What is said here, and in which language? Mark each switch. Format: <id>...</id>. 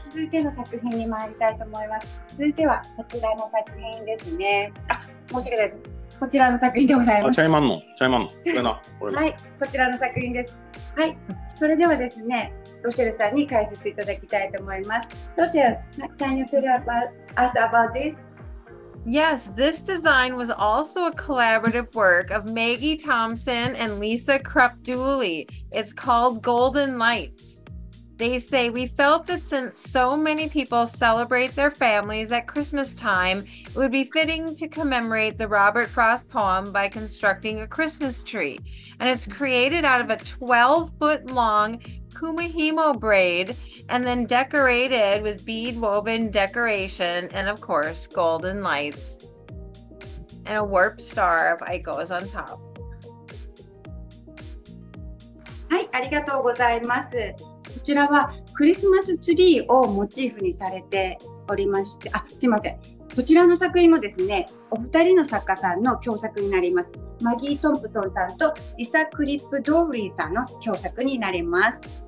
<ja>続いての作品に参りたいと思います。続いてはこちらの作品ですね。あ、申し訳ないです、こちらの作品でございます。あ、チャイマンの、チャイマンの、これな、これ、はい、こちらの作品です。はい、それではですね、ロシェルさんに解説いただきたいと思います。</ja> <en>ロシェル、can you tell us about this? Yes, this design was also a collaborative work of Maggie Thompson and Lisa Krupp-Dooley. It's called Golden Lights. They say, we felt that since so many people celebrate their families at Christmas time, it would be fitting to commemorate the Robert Frost poem by constructing a Christmas tree. And it's created out of a 12-foot long kumihimo braid and then decorated with bead woven decoration and of course golden lights and a warp star of Aiko's on top.</en> <ja>はい、ありがとうございます。こちらはクリスマスツリーをモチーフにされておりまして、あ、すいません、こちらの作品もですね、お二人の作家さんの共作になります。マギー・トンプソンさんとリサ・クリップ・ドーリーさんの共作になります。</ja>